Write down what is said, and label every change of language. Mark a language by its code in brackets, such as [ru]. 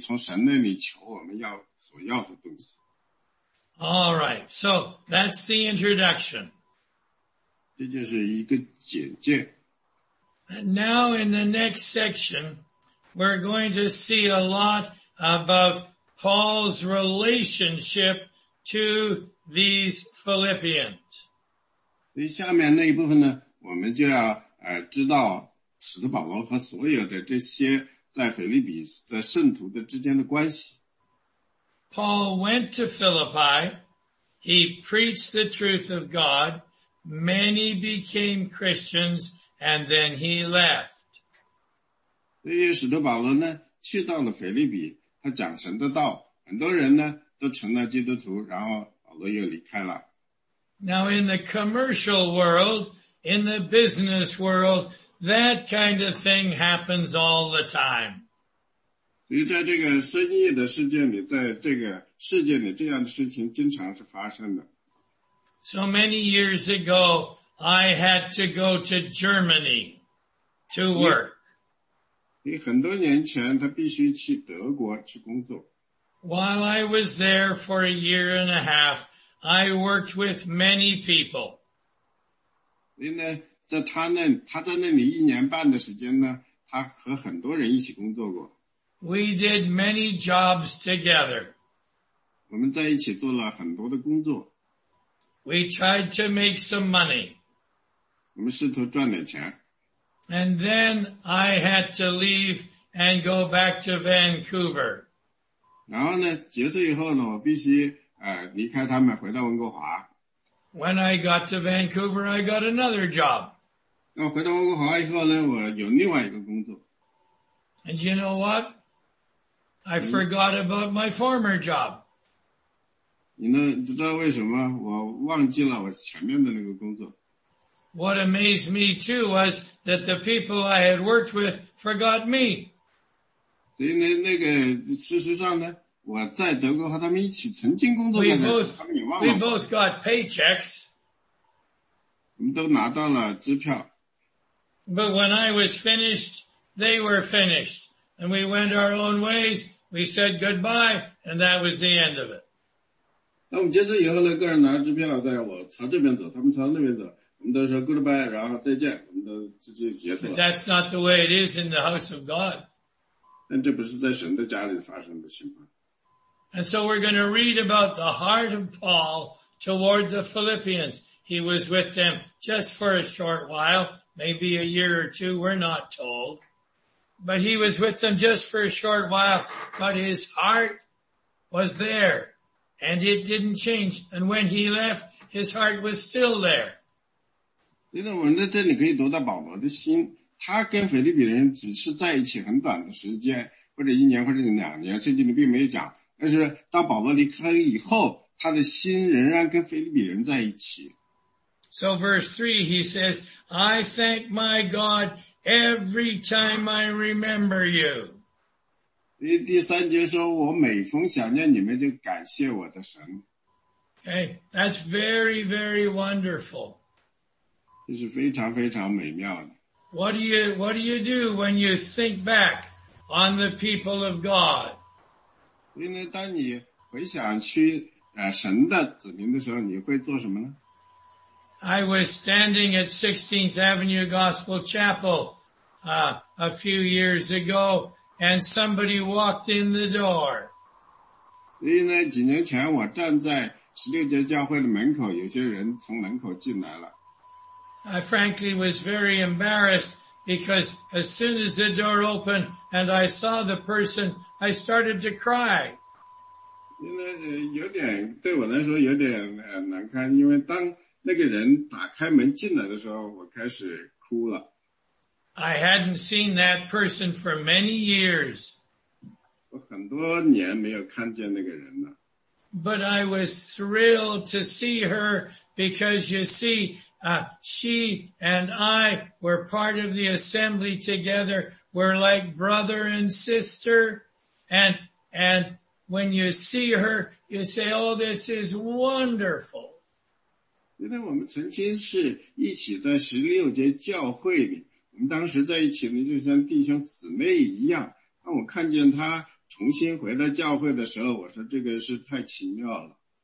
[zh] 这里呢，令人神奇的就是我们所有的圣徒，任何时间呢，都仰望着神，仰望着他的平安和恩惠。平安呢，我们可以有安息；恩惠呢，我们可以从神那里求我们要所要的东西。 [en] All right, so that's the introduction. [zh] 这就是一个简介。 [en] And now in the next section, we're going to see a lot about Paul's relationship to these Philippians. [zh] 所以下面那一部分呢，我们就要知道使徒保罗和所有的这些在腓立比的圣徒的之间的关系。 [en] Paul went to Philippi. He preached the truth of God. Many became Christians and then he left. [zh] 那些使徒保罗呢去到了腓立比他讲神的道很多人呢都成了基督徒然后保罗又离开了。 [en] Now in the commercial world, in the business world, that kind of thing happens all the time. [zh] 所以在这个生意的世界里在这个世界里这样的事情经常是发生的。 [en] So many years ago, I had to go to Germany to work. [zh] 你很多年前他必须去德国去工作。 [en] While I was there for a year and a half, I worked with many people. [zh] 因为在他那他在那里一年半的时间呢他和很多人一起工作过。 [en] We did many jobs together. [zh] 我们在一起做了很多的工作。 [en] We tried to make some money. [zh] 我们试图赚点钱。 [en] And then I had to leave and go back to Vancouver. [zh] 然后呢结束以后呢我必须离开他们回到温哥华。 [en] When I got to Vancouver, I got another job. [zh] 那回到温哥华以后呢我有另外一个工作。 [en] And you know what? I forgot about my former job. [zh] 你呢知道为什么我忘记了我前面的那个工作。 [en] What amazed me too was that the people I had worked with forgot me. [zh] 所以呢那个事实上呢我在德国和他们一起曾经工作的人他们也忘了。 [en] We both got paychecks. [zh] 我们都拿到了支票。 [en] But when I was finished, they were finished. And we went our own ways, we said goodbye, and that was the end of it. [zh] 那我们结束以后呢个人拿支票在我朝这边走他们朝那边走我们都说 goodbye, 然后再见我们都直接结束了。 [en] But that's not the way it is in the house of God. [zh] 但这不是在神的家里发生的情况。 [en] And so we're going to read about the heart of Paul toward the Philippians. He was with them just for a short while, maybe a year or two, we're not told. But he was with them just for a short while, but his heart was there, and it didn't change. And when he left, his heart was still there. [zh] 因为我们在这里可以读到保罗的心，他跟腓立比人只是在一起很短的时间，或者一年或者两年，圣经里并没有讲。但是当保罗离开以后他的心仍然跟腓立比人在一起。 [en] So verse 3 he says, I thank my God every time I remember you. [zh] 第三节说我每逢想念你们就感谢我的神。 [en] Okay, that's very, very wonderful. [zh] 这是非常非常美妙的。 [en] What do you do when you think back on the people of God? [zh] 因为当你回想去神的子民的时候你会做什么呢 [en] I was standing at 16th Avenue Gospel Chapel, a few years ago, and somebody walked in the door. [zh] 所以呢几年前我站在十六街教会的门口有些人从门口进来了。 [en] I frankly was very embarrassed because as soon as the door opened and I saw the person,I started to cry. [zh] 因为有点对我来说有点难堪因为当那个人打开门进来的时候我开始哭了。 [en] I hadn't seen that person for many years. [zh] 我很多年没有看见那个人了。 [en] But I was thrilled to see her because you see, she and I were part of the assembly together. We're like brother and sister. And when you see her, you say, oh, this is wonderful. [zh] 因为我们曾经是一起在十六节教会里我们当时在一起呢就像弟兄姊妹一样当我看见他重新回到教会的时候我说这个是太奇妙了。